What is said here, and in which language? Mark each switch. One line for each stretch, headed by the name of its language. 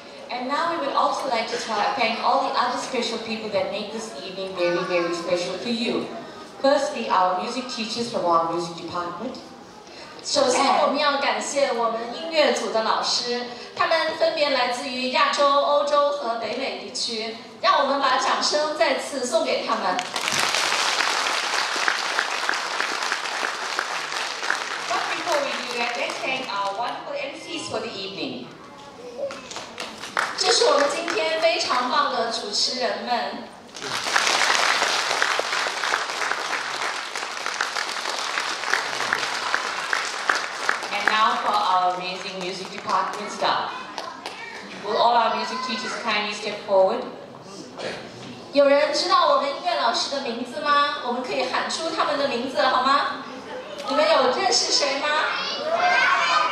English: And now we would also like to thank all the other special people that make this evening very, very special for you. Firstly, our music teachers from our music department.
Chinese: 首先我们要感谢我们音乐组的老师，他们分别来自于亚洲、欧洲和北美地区，让我们把掌声再次送给他们。
English: But before we do that, let's thank our wonderful MCs for the evening.
Chinese: 这是我们今天非常棒的主持人们。
English: And now for our amazing music department staff. Will all our music teachers kindly step forward?
Chinese: 有人知道我们音乐老师的名字吗？我们可以喊出他们的名字好吗？你们有认识谁吗？